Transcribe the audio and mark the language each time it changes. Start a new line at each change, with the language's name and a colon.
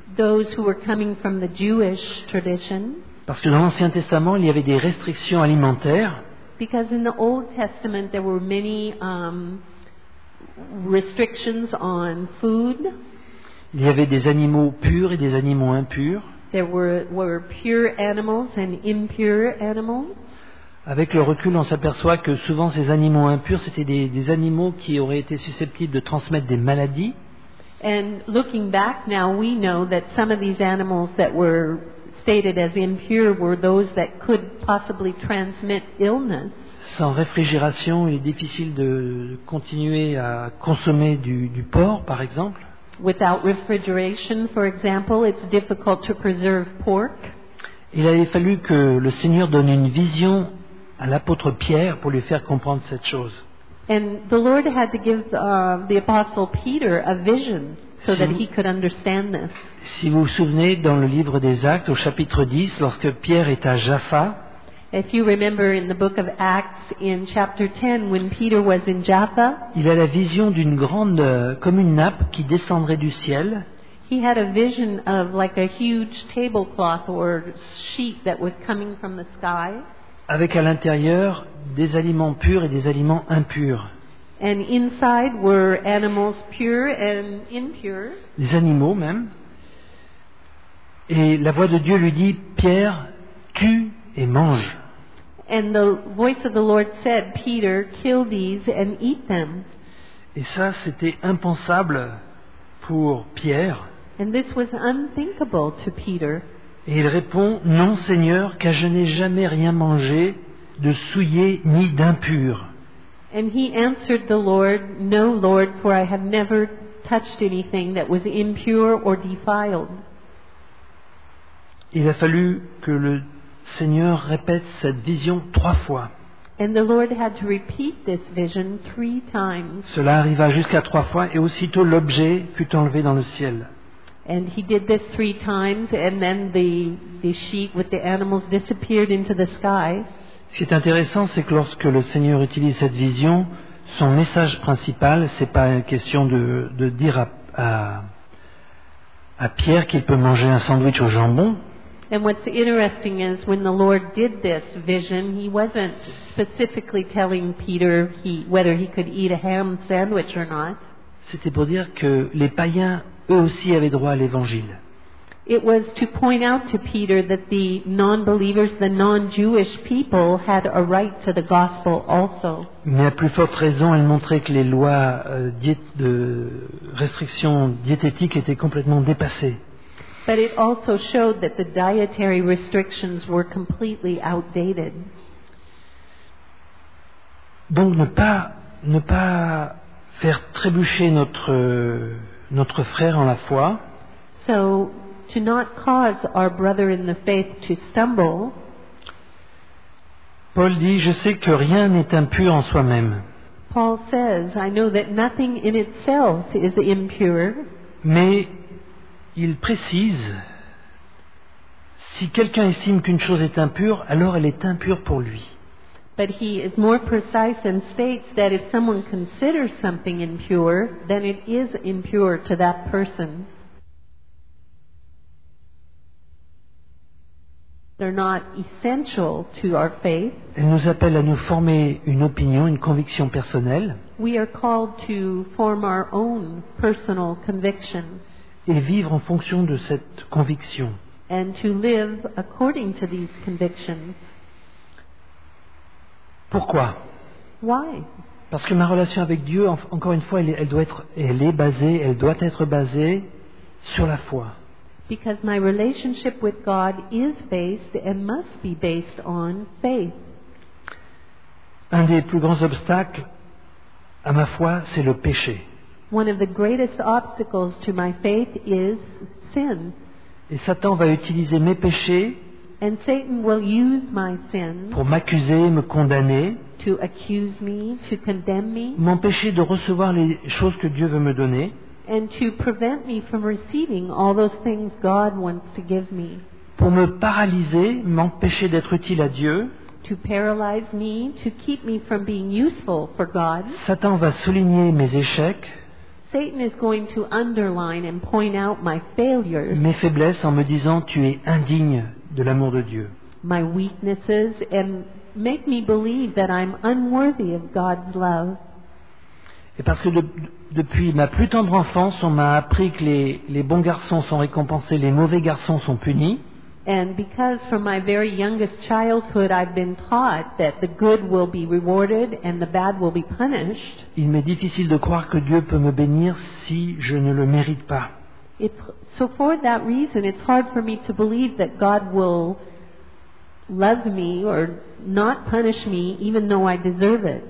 English: Those who were coming from the Jewish tradition.
French: Parce que dans l'Ancien Testament, il y avait des restrictions alimentaires.
English: Because in the Old Testament there were many restrictions on food.
French: Il y avait des animaux purs et des animaux impurs.
English: There were pure animals and impure animals.
French: Avec le recul, on s'aperçoit que souvent ces animaux impurs, c'était des animaux qui auraient été susceptibles de transmettre des maladies.
English: And looking back now, we know that some of these animals that were stated as impure were those that could possibly transmit illness.
French: Sans réfrigération, il est difficile de continuer à consommer du porc, par exemple.
English: Without refrigeration, for example, it's difficult to preserve pork.
French: Il avait fallu que le Seigneur donne une vision à l'apôtre Pierre pour lui faire comprendre cette chose.
English: And the Lord had to give the apostle Peter a vision. So that he could understand this.
French: Si vous vous souvenez, dans le livre des Actes, au chapitre 10, lorsque Pierre est à Jaffa,
English: if you remember in the book of Acts, in chapter 10, when Peter was in Jaffa,
French: il a la vision d'une grande, comme une nappe, qui descendrait du ciel.
English: He had a vision of like a huge tablecloth or sheet that was coming from the sky.
French: Avec à l'intérieur des aliments purs et des aliments impurs.
English: And inside were animals pure and impure.
French: Des animaux même. Et la voix de Dieu lui dit, Pierre, tue et mange.
English: And the voice of the Lord said, Peter, kill these and eat them.
French: Et ça, c'était impensable pour Pierre.
English: And this was unthinkable to Peter.
French: Et il répond, non Seigneur, car je n'ai jamais rien mangé de souillé ni d'impur.
English: And he answered the Lord, No, Lord, for I have never touched anything that was impure or defiled.
French: Il a fallu que le Seigneur répète cette vision trois fois.
English: And the Lord had to repeat this vision three times.
French: Cela arriva jusqu'à trois fois et aussitôt l'objet fut enlevé dans le ciel.
English: And he did this three times and then the sheep with the animals disappeared into the sky.
French: Ce qui est intéressant, c'est que lorsque le Seigneur utilise cette vision, son message principal, c'est pas une question de dire à Pierre qu'il peut manger un sandwich au jambon.
English: And what's interesting is when the Lord did this vision, he wasn't specifically telling Peter whether he could eat a ham sandwich or not.
French: C'était pour dire que les païens eux aussi avaient droit à l'évangile.
English: It was to point out to Peter that the non-believers, the non-Jewish people had a right to the gospel also.
French: Mais à plus forte raison, elle montrait que les lois de restriction diététique étaient complètement dépassées.
English: But it also showed that the dietary restrictions were completely outdated.
French: Donc ne pas faire trébucher notre frère en la foi.
English: So to not cause our brother in the faith to stumble.
French: Paul dit, je sais que rien n'est impur en soi-même.
English: Paul says, I know that nothing in itself is impure.
French: Mais il précise, si quelqu'un estime qu'une chose est impure, alors elle est impure pour lui.
English: But he is more precise and states that if someone considers something impure, then it is impure to that person. They're not essential to our faith.
French: Elle nous appelle à nous former une opinion, une conviction personnelle.
English: We are called to form our own personal conviction.
French: Et vivre en fonction de cette conviction.
English: And to live according to these convictions.
French: Pourquoi?
English: Why?
French: Parce que ma relation avec Dieu, encore une fois, elle doit être basée sur la foi.
English: Because my relationship with God is based and must be based on faith.
French: Un des plus grands obstacles à ma foi, c'est le péché.
English: One of the greatest obstacles to my faith is sin.
French: Et Satan va utiliser mes péchés.
English: And Satan will use my sins
French: pour m'accuser, me condamner,
English: to accuse me, to condemn me,
French: m'empêcher de recevoir les choses que Dieu veut me donner,
English: and to prevent me from receiving all those things God wants to give me,
French: pour me paralyser, m'empêcher d'être utile à Dieu,
English: to paralyze me, to keep me from being useful for God.
French: Satan va souligner mes échecs,
English: Satan is going to underline and point out my failures,
French: mes faiblesses en me disant tu es indigne de l'amour de Dieu.
English: My weaknesses and make me believe that I'm unworthy of God's love.
French: Et parce que depuis ma plus tendre enfance, on m'a appris que les bons garçons sont récompensés, les mauvais garçons sont punis.
English: And because from my very youngest childhood I've been taught that the good will be rewarded and the bad will be punished.
French: Il m'est difficile de croire que Dieu peut me bénir si je ne le mérite pas.
English: So for that reason, it's hard for me to believe that God will love me or not punish me, even though I deserve it.